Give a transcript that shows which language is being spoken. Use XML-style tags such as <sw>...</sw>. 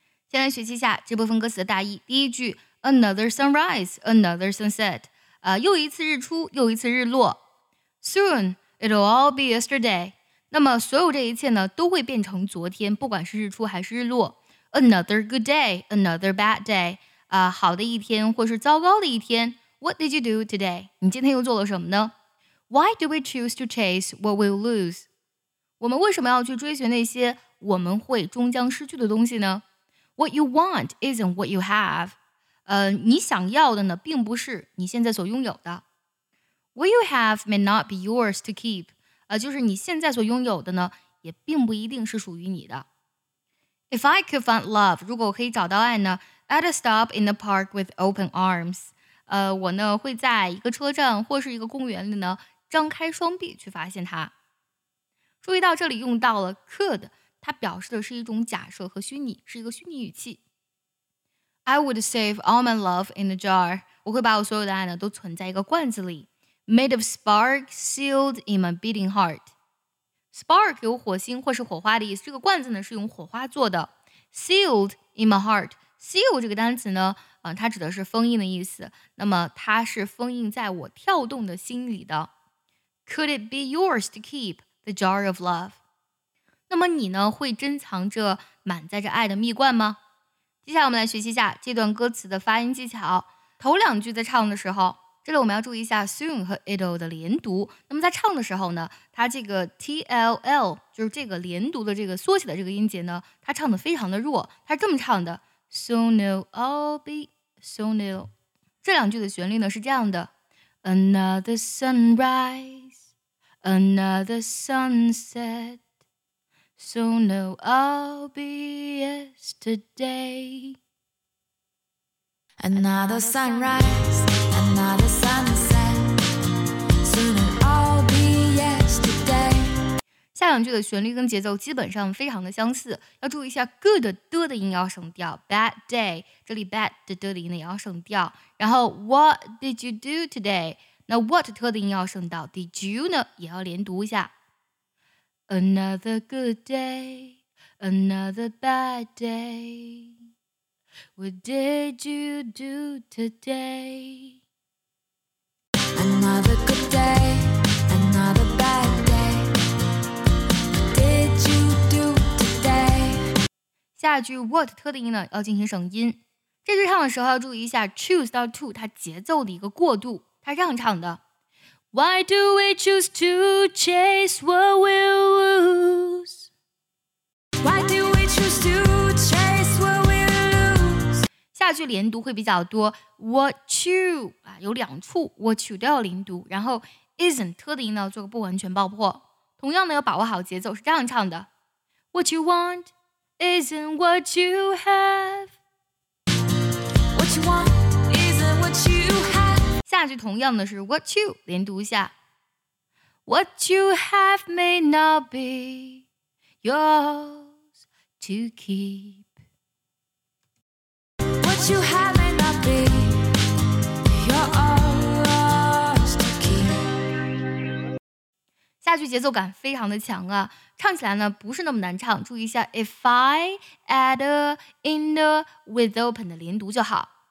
<zh>先来学习一下这部分歌词的大意。第一句</zh> <en>Another sunrise, another sunset、</en> <zh>又一次日出，又一次日落。</zh> <en>Soon, it'll all be yesterday。</en> <zh>那么所有这一切呢，都会变成昨天，不管是日出还是日落。</zh> <en>Another good day, another bad day、</en> <zh>好的一天或是糟糕的一天。</zh> <en>What did you do today?</en> <zh>你今天又做了什么呢?</zh> <en>Why do we choose to chase what we'll lose?</en> <zh>我们为什么要去追寻那些我们会终将失去的东西呢?</zh> <en>What you want isn't what you have.</en> <zh>你想要的呢并不是你现在所拥有的。</zh> <en>What you have may not be yours to keep.</en> <zh>就是你现在所拥有的呢也并不一定是属于你的。</zh> <en>If I could find love,</en> <zh>如果我可以找到爱呢,</zh> <en>I'd stop in the park with open arms.</en> <zh>我呢会在一个车站或是一个公园里呢张开双臂去发现它。注意到这里用到了 could， 它表示的是一种假设和虚拟，是一个虚拟语气。</zh> <en>I would save all my love in a jar，</en> <zh>我会把我所有的爱呢都存在一个罐子里</zh> <en>，made of spark sealed in my beating heart。</en> <zh>Spark 有火星或是火花的意思，这个罐子呢是用火花做的 ，</zh> <en>sealed in my heart。</en> <zh>Seal 这个单词呢、它指的是封印的意思，那么它是封印在我跳动的心里的。</zh> <en>Could it be yours to keep the jar of love?</en> <zh>那么你呢会珍藏着满载着爱的蜜罐吗？接下来我们来学习一下这段歌词的发音技巧。头两句在唱的时候，这里我们要注意一下 soon 和 it'll 的连读。那么在唱的时候呢，它这个 TLL 就是这个连读的这个缩写的这个音节呢，它唱的非常的弱，它是这么唱的。</zh> <en>Soon it'll all be soon it'll.</en> <zh>这两句的旋律呢是这样的</zh> <en>Another sunrise, another sunset. Soon it'll all be yesterday. Another sunrise, another sunset. Soon it'll all be yesterday.</en> <zh>下两句的旋律跟节奏基本上非常的相似，要注意一下 good 的的音要省掉 ，bad day 这里 bad 的音呢也要省掉，然后</zh> <en>what did you do today</en> <zh>那 what 的音要省到 ，did you 呢也要连读一下</zh> <en>，another good day，another bad day，what did you do today？Another good day。</en> <zh>下一句 what 特定音呢要进行省音，这句唱的时候要注意一下 choose 到 to 它节奏的一个过渡，它这样唱的</zh> <en>Why do we choose to chase what we lose? Why do we choose to chase what we lose?</en> <zh>下句连读会比较多 what you、有两处 what you 都要连读，然后 isn't 特定音呢做个不完全爆破，同样呢要把握好节奏，是这样唱的</zh> <en>What you wantIsn't what you have. What you want isn't what you have.</en> <zh>下句同样的是 what you 连读一下</zh> <en>What you have may not be yours to keep. What you have may not be yours to keep.</en> <zh>下去节奏感非常的强啊，唱起来呢不是那么难唱，注意一下</zh> <en>if I add a in the with open</en> <zh>的连读就好。</zh>